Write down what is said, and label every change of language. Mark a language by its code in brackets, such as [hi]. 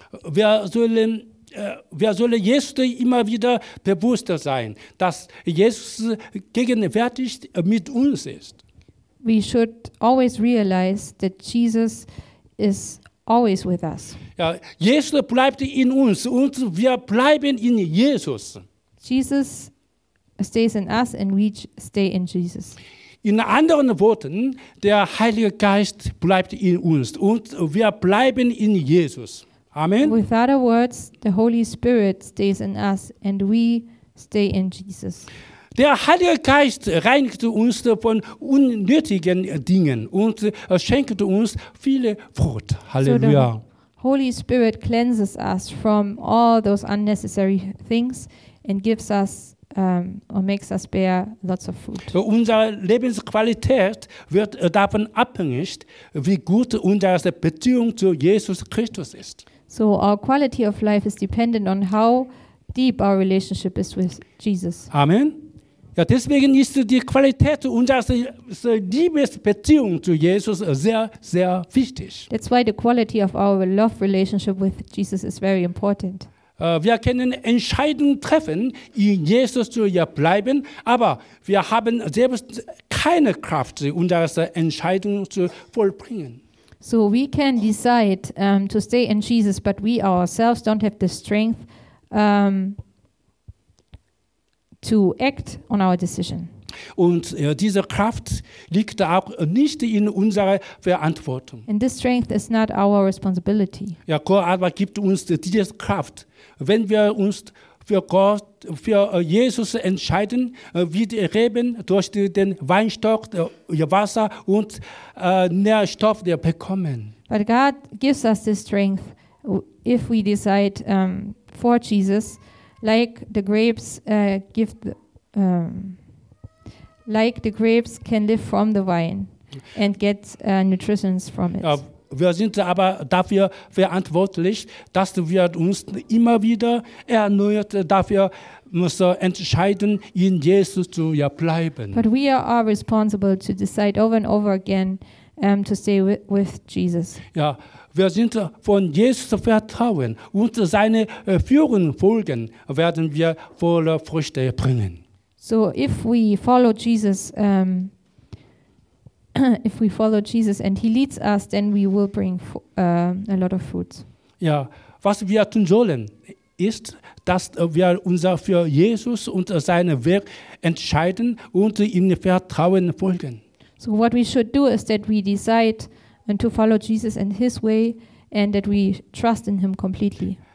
[de] Wir sollen Jesus immer wieder bewusster sein, dass Jesus gegenwärtig mit uns ist. [en] We should always realize that Jesus is always with us. [de] Ja, Jesus bleibt in uns und wir bleiben in Jesus. [en] Jesus stays in us and we stay in Jesus. [de] In anderen Worten, der Heilige Geist bleibt in uns und wir bleiben in Jesus. Amen. [en] With other words, the Holy Spirit stays in us and we stay in Jesus. [de] Der Heilige Geist reinigt uns von unnötigen Dingen und schenkt uns viele Frucht. Halleluja. So [en] the Holy Spirit cleanses us from all those unnecessary things and gives us or makes us bear lots of fruit. [de] Unsere Lebensqualität wird davon abhängig, wie gut unsere Beziehung zu Jesus Christus ist. [en] So our quality of life is dependent on how deep our relationship is with Jesus. Amen. [de] Ja, deswegen ist die Qualität unserer Liebesbeziehung zu Jesus sehr, sehr wichtig. [en] That's why the quality of our love relationship with Jesus is very important. [de] Wir können Entscheidungen treffen, in Jesus zu bleiben, aber wir haben selbst keine Kraft, unsere Entscheidung zu vollbringen. [en] So we can decide to stay in Jesus, but we ourselves don't have the strength to act on our decision. [de] Und diese Kraft liegt auch nicht in unserer Verantwortung. [en] And this strength is not our responsibility. [de] Ja, Gott aber gibt uns diese Kraft, wenn wir uns für Gott, für Jesus entscheiden, wie die Reben durch den Weinstock, Wasser und Nährstoff bekommen. [en] But God gives us this strength if we decide for Jesus, like the grapes give the like the grapes can live from the vine and get nutrients from it. [de] Wir sind aber dafür verantwortlich, dass wir uns immer wieder erneuert dafür müssen entscheiden, in Jesus zu bleiben. [en] But we are responsible to decide over and over again to stay with Jesus. [de] Ja, wir sind von Jesus vertrauen und seine Führung folgen, werden wir volle Früchte bringen. [en] So if we follow Jesus and he leads us, then we will bring a lot of fruits. [de] Ja, was wir tun sollen, ist, dass wir uns für Jesus und seinen Weg entscheiden und ihm Vertrauen folgen. [en] So what we should do is that we decide and to follow Jesus and his way and that we trust in him completely.